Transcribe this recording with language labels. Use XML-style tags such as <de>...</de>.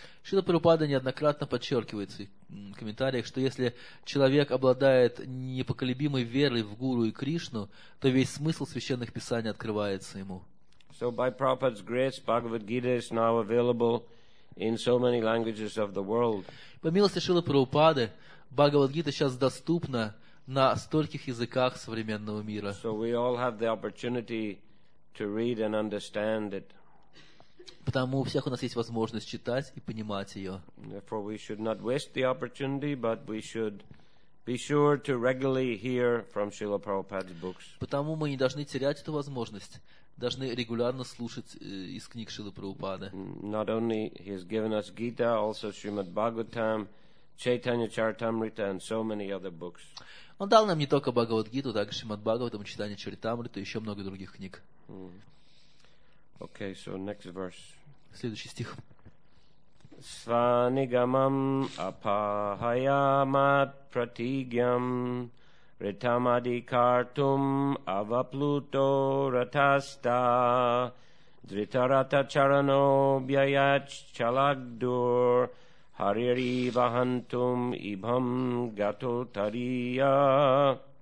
<ru>Шрила Прабхупада неоднократно подчеркивает в своих комментариях, что если человек обладает непоколебимой верой в Гуру и Кришну, то весь смысл священных писаний открывается ему.</ru> <en>So by Prabhupada's grace, Bhagavad Gita is now available in so many languages of the world.</en> <ru>По милости Шрилы Прабхупады, Бхагавад Гита сейчас доступна на стольких языках современного мира.</ru> <en>So we all have the opportunity to read and understand it.</en> <ru>Потому у всех у нас есть возможность читать и понимать ее.</ru> <en>Therefore, we should not waste the opportunity, but we should be sure to regularly hear from Srila Prabhupada's books.</en> <ru>Потому мы не должны терять эту возможность, должны регулярно слушать из книг Шрилы Прабхупады.</ru> <en>Not only he has given us Gita, also Srimad Bhagavatam, Chaitanya Charitamrita, and so many other books.</en> <ru>Он дал нам не только Бхагавад-гиту, также Шримад Бхагаватам, Чайтанья Чаритамриту и еще много других книг.</ru> <en>Okay, so next verse.</en> <ru>Следующий стих.</ru> <sa>Сванигамам апахаямат пратигьям ритамадикартум аваплуто ратаста дритарата чарано бьяяч чалагдур харири вахантум ибхам гато тария.</sa>